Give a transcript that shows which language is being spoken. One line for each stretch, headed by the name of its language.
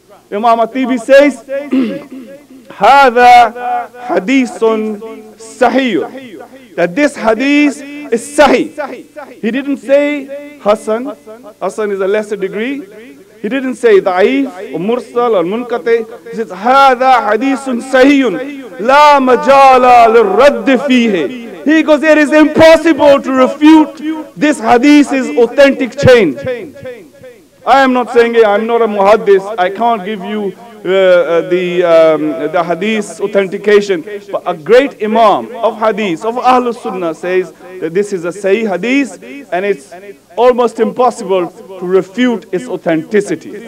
English: Imam At-Tibi says,
Arabic: هذا حديث صحيح,
English: that this hadith is sahih. He didn't say Hassan. Hassan is a lesser degree. He didn't say ضعيف or مرسل or منقطع. He says
Arabic: هذا حديث صحيح لا مجال للرد فيه.
English: He goes, it is impossible to refute this hadith's authentic chain. I am not saying it. I'm not a muhaddis. I can't give you the hadith authentication. But a great imam of hadith, of Ahlul Sunnah, says that this is a sahih hadith, and it's almost impossible to refute its authenticity.